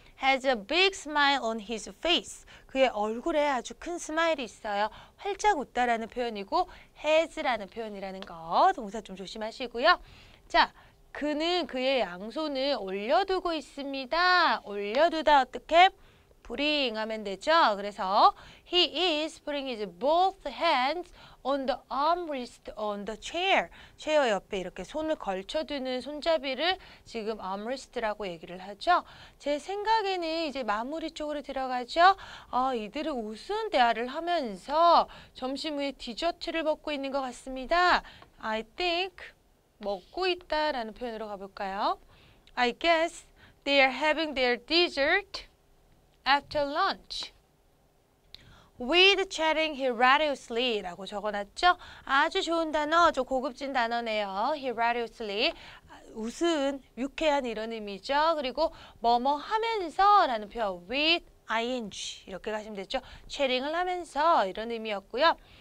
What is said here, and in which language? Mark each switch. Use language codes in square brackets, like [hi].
[en] has a big smile on his face. [ko] 그의 얼굴에 아주 큰 스마일이 있어요. 활짝 웃다라는 표현이고 has라는 표현이라는 거 동사 좀 조심하시고요. 자, 그는 그의 양손을 올려두고 있습니다. 올려두다 어떻게? bring 하면 되죠. 그래서 [en] he is putting his both hands on the armrest on the chair. [ko] 체어 옆에 이렇게 손을 걸쳐두는 손잡이를 지금 armrest라고 얘기를 하죠. 제 생각에는 이제 마무리 쪽으로 들어가죠. 아, 이들은 우스운 대화를 하면서 점심 후에 디저트를 먹고 있는 것 같습니다. [en] I think [ko] 먹고 있다라는 표현으로 가볼까요? [en] I guess they are having their dessert after lunch. With chatting hilariously [ko] 라고 적어놨죠. 아주 좋은 단어, 좀 고급진 단어네요. hilariously, 웃은, 유쾌한 이런 의미죠. 그리고 뭐뭐 하면서 라는 표현, with ing 이렇게 가시면 됐죠. chatting을 하면서 이런 의미였고요.